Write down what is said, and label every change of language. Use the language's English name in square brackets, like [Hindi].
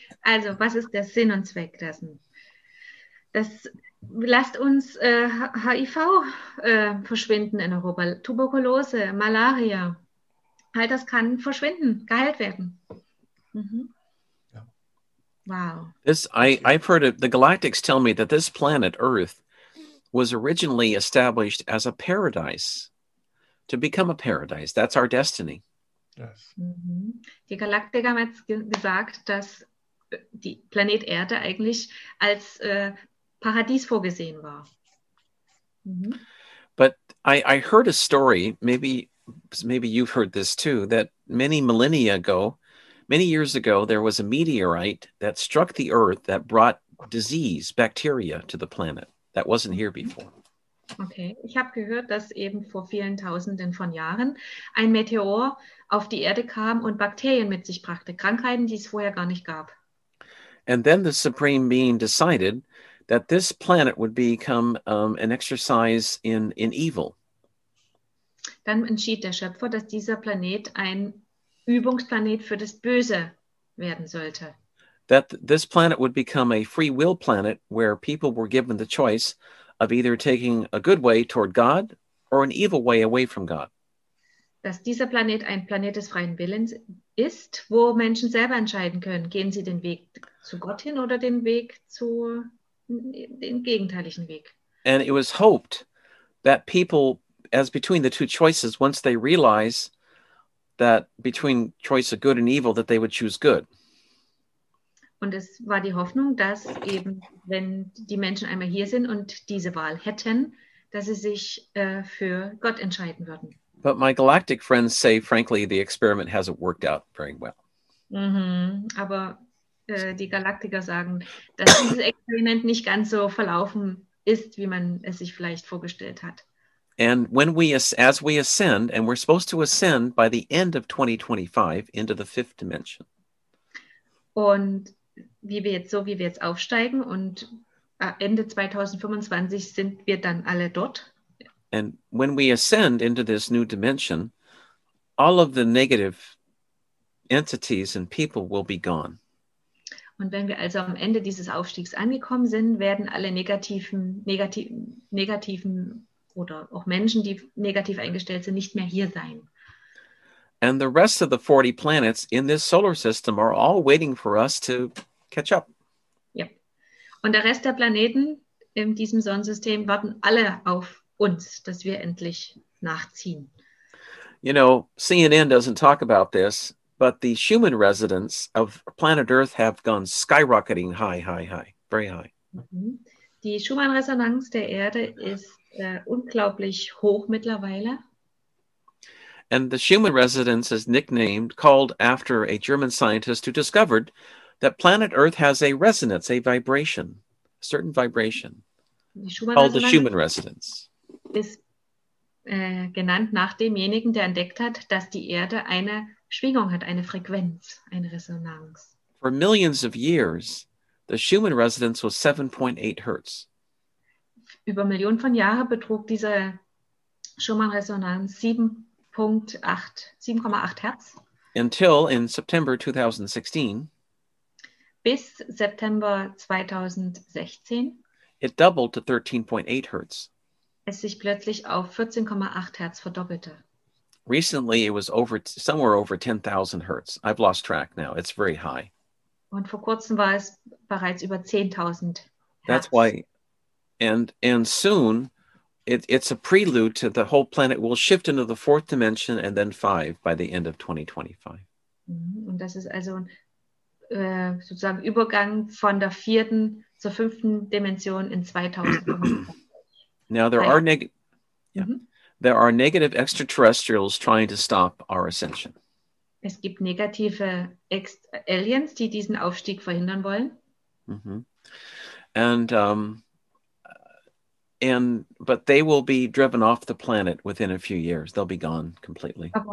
[German] Also, was ist der Sinn und Zweck dessen? Lasst uns HIV verschwinden in Europa. Tuberkulose, Malaria. All das kann verschwinden, geheilt werden. Mm-hmm. Yeah. Wow. [English] I've heard it. The Galactics tell me that this planet Earth was originally established as a paradise, to become a paradise. That's our destiny. Yes. Mm-hmm. [German] Die Galaktiker haben jetzt gesagt, dass die Planet Erde eigentlich als Paradies vorgesehen war. Mm-hmm. [English] But I heard a story, maybe you've heard this too, that many years ago, there was a meteorite that struck the Earth that brought disease, bacteria, to the planet. That wasn't here before. [German] Okay, ich habe gehört, dass eben vor vielen Tausenden von Jahren ein Meteor auf die Erde kam und Bakterien mit sich brachte, Krankheiten, die es vorher gar nicht gab. [English] And then the Supreme Being decided that this planet would become an exercise in evil. [German] Dann entschied der Schöpfer, dass dieser Planet ein Übungsplanet für das Böse werden sollte. [English] That this planet would become a free will planet where people were given the choice of either taking a good way toward God or an evil way away from God. [German] Dass dieser Planet ein Planet des freien Willens ist, wo Menschen selber entscheiden können, gehen sie den Weg zu Gott hin oder den Weg zu den gegenteiligen Weg. [English] And it was hoped that people, as between the two choices, once they realize that between choice of good and evil, that they would choose good. [German] Und es war die Hoffnung, dass eben, wenn die Menschen einmal hier sind und diese Wahl hätten, dass sie sich für Gott entscheiden würden. [English] But my galactic friends say, frankly, the experiment hasn't worked out very well. Mm-hmm. [German] Aber die Galaktiker sagen, dass dieses Experiment nicht ganz so verlaufen ist, wie man es sich vielleicht vorgestellt hat. [English] And when we, as we ascend, and we're supposed to ascend by the end of 2025 into the fifth dimension. [German] Und wie wir jetzt, so wie wir jetzt aufsteigen und Ende 2025 sind wir dann alle dort. [English] And when we ascend into this new dimension, all of the negative entities and people will be gone. [German] Und wenn wir also am Ende dieses Aufstiegs angekommen sind, werden alle negativen oder auch Menschen, die negativ eingestellt sind, nicht mehr hier sein. [English] And the rest of the 40 planets in this solar system are all waiting for us to catch up. Yep. [German] Und der Rest der Planeten in diesem Sonnensystem warten alle auf uns, dass wir endlich nachziehen. [English] You know, CNN doesn't talk about this, but the Schumann residents of planet Earth have gone skyrocketing high, very high. [German] Die Schumann-Resonanz der Erde ist unglaublich hoch mittlerweile. [English] And the Schumann residence is nicknamed, called after a German scientist who discovered that planet Earth has a resonance, a vibration, a certain vibration, called the Schumann residence. [German] Ist genannt nach demjenigen, der entdeckt hat, dass die Erde eine Schwingung hat, eine Frequenz, eine Resonanz. [English] For millions of years, the Schumann residence was 7.8 Hertz. [German] Über Millionen von Jahren betrug diese Schumann-Resonanz 7,8 Hertz. [English] Until in September 2016. [German] Bis September 2016. [English] It doubled to 13.8 Hertz. [German] Es sich plötzlich auf 14,8 Hertz verdoppelte. [English] Recently it was somewhere over 10,000 Hertz. I've lost track now. It's very high. [German] Und vor kurzem war es bereits über 10,000 Hertz. [English] That's why. And soon, it's a prelude to the whole planet will shift into the fourth dimension and then five by the end of 2025. [German] Und das ist also sozusagen Übergang von der vierten zur fünften Dimension in 2025. [English] Now there are negative extraterrestrials trying to stop our ascension. [German] Es gibt negative Aliens, die diesen Aufstieg verhindern wollen. Mm-hmm. [English] But they will be driven off the planet within a few years. They'll be gone completely.